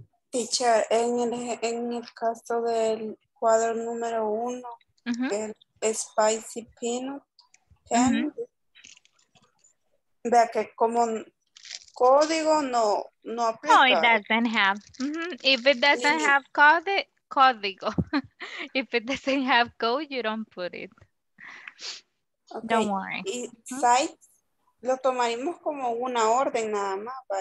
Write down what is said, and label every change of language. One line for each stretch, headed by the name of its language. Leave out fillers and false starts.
Spanish: Teacher, en el caso del cuadro número uno, uh-huh. el spicy peanut, candy, uh-huh. vea que como código no aplica.
English: No, it doesn't have. Uh-huh. If it doesn't have código. If it doesn't have code, you don't put it. Okay. Don't worry.
Spanish: Y size, uh-huh. lo tomaríamos como una orden nada más, ¿va?